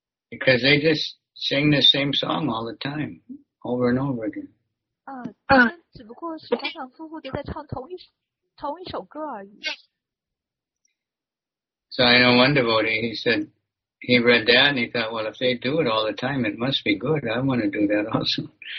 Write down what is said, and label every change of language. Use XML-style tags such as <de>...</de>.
<en>Because they just sing the same song all the time, over and over again.</en> <zh>只不过是反反复复的在唱同一首歌而已。</zh> <en>So I know one devotee, he said, he read that and he thought, well, if they do it all the time, it must be good. I want to do that also.</en>